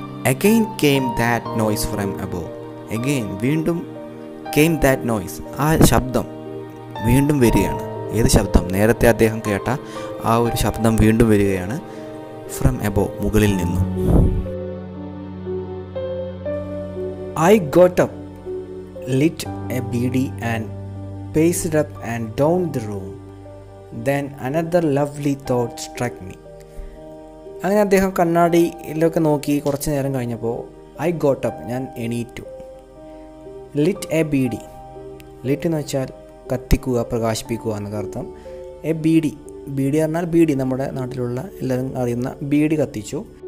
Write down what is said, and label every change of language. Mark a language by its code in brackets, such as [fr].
[en] again came that noise from above, again, വീണ്ടും came that noise, [ml] ആ ശബ്ദം വീണ്ടും വരികയാണ്. ഏത് ശബ്ദം? നേരത്തെ അദ്ദേഹം കേട്ട ആ ഒരു ശബ്ദം വീണ്ടും വരികയാണ്. [en] from above, [ml] മുകളിൽ നിന്നും. [en] I got up, lit a BD and paced up and down the room. Then another lovely thought struck me. [ml] അങ്ങനെ അദ്ദേഹം കണ്ണാടിയിലൊക്കെ നോക്കി കുറച്ച് നേരം കഴിഞ്ഞപ്പോൾ [en] I got up [ml] ഞാൻ എണീറ്റു [en] lit a B D [ml] Litt എന്ന് വെച്ചാൽ കത്തിക്കുക പ്രകാശിപ്പിക്കുക എന്നൊക്കെ അർത്ഥം A B D B D പറഞ്ഞാൽ ബി ഡി നമ്മുടെ നാട്ടിലുള്ള എല്ലാവരും അറിയുന്ന ബി ഡി കത്തിച്ചു